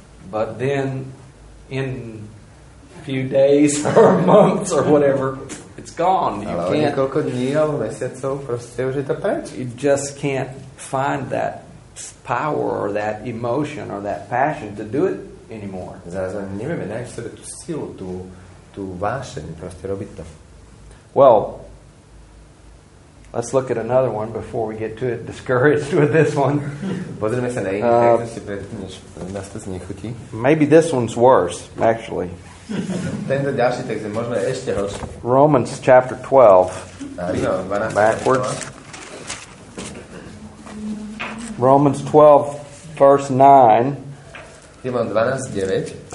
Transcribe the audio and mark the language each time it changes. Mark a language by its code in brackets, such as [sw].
[en] But then in a few days or months or whatever, it's gone. [sk] Niekoľko dní alebo mesiacov, proste už je to preč. [en] You just can't find that power or that emotion or that passion to do it anymore. [sk] Zrazu nevieme nájsť v sebe tú silu, tú vášeň, proste robiť to. [en] Well, let's look at another one before we get too discouraged with this one. [sk] Pozrieme sa na iný text, ešte predtým, než nás to znechutí. [en] Maybe this one's worse, actually. [sk] Tento ďalší text je možno ešte horší. [en] Romans chapter 12. No, backwards. Romans 12, verse 9. 12, 9.